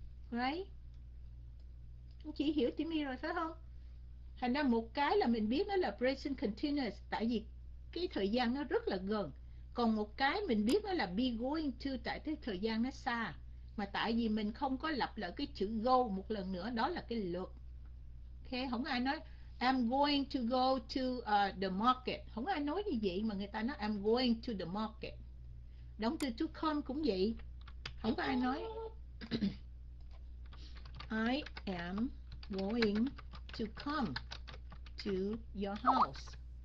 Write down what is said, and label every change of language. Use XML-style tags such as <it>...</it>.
<vi>Right. Chị hiểu Timmy rồi phải không? Thành ra một cái là mình biết nó là present continuous, tại vì cái thời gian nó rất là gần. Còn một cái mình biết nó là be going to, tại cái thời gian nó xa. Mà tại vì mình không có lặp lại cái chữ go một lần nữa, đó là cái luật. Okay? Không ai nói</vi> <en>I'm going to go to the market.</en> <vi>Không ai nói như vậy mà người ta nói</vi> <en>I'm going to the market.</en> <vi>Động từ to come cũng vậy. Không ai nói</vi> <en>I am going to come to your house.</en>